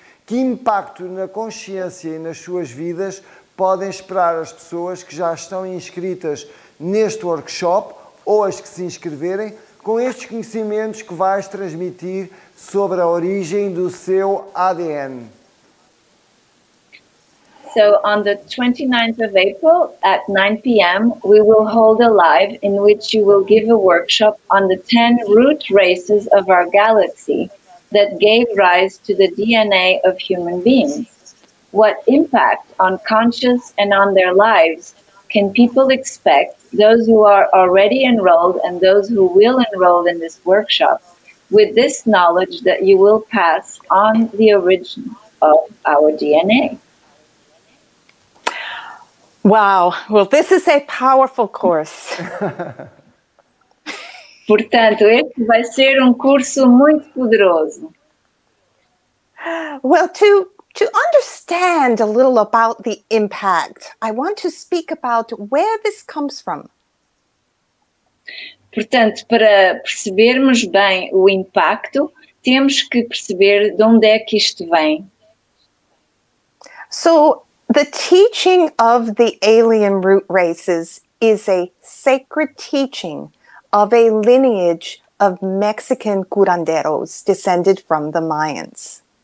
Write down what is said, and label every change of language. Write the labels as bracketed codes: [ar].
[pt] Que impacto na consciência e nas suas vidas podem esperar as pessoas que já estão inscritas neste workshop ou as que se inscreverem com estes conhecimentos que vais transmitir sobre a origem do seu ADN? [en] So on the 29th of April at 9 p.m., we will hold a live in which you will give a workshop on the 10 root races of our galaxy that gave rise to the DNA of human beings. What impact on conscious and on their lives can people expect, those who are already enrolled and those who will enroll in this workshop, with this knowledge that you will pass on the origin of our DNA. Wow. Well, this is a powerful course. [pt] Portanto, este vai ser curso muito poderoso. [en] Well, to understand a little about the impact, I want to speak about where this comes from. [pt] Portanto, para percebermos bem o impacto, temos que perceber de onde é que isto vem. [en] So, the teaching of the alien root races is a sacred teaching of a lineage of Mexican curanderos descended from the Mayans.